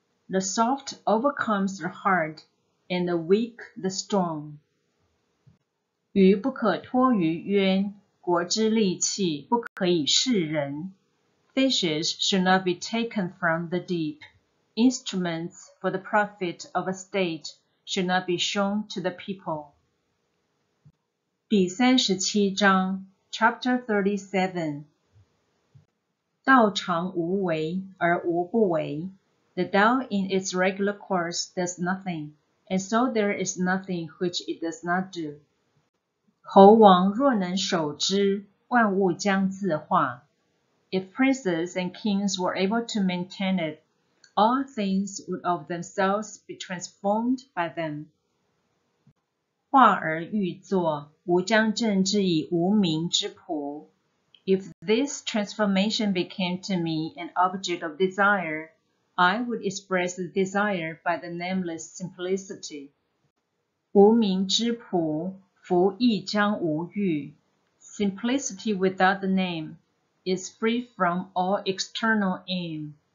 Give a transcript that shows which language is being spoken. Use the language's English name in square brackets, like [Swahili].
[English] The soft overcomes the hard, and the weak the strong. [Chinese] 鱼不可脱于渊，国之利器不可以示人。 [English] Fishes should not be taken from the deep. Instruments for the profit of a state should not be shown to the people. [Chinese] 第三十七章 [English] Chapter 37 [Chinese] 道常无为而无不为 [English] The Dao in its regular course does nothing, and so there is nothing which it does not do. [Chinese] 猴王若能守之，万物将自化。 [English] If princes and kings were able to maintain it, all things would of themselves be transformed by them. [Chinese] 化而欲作，吾将镇之以无名之朴。 [English] If this transformation became to me an object of desire, I would express the desire by the nameless simplicity. [Chinese] 无名之朴福亦将无欲 [English] Simplicity without the name is free from all external aim.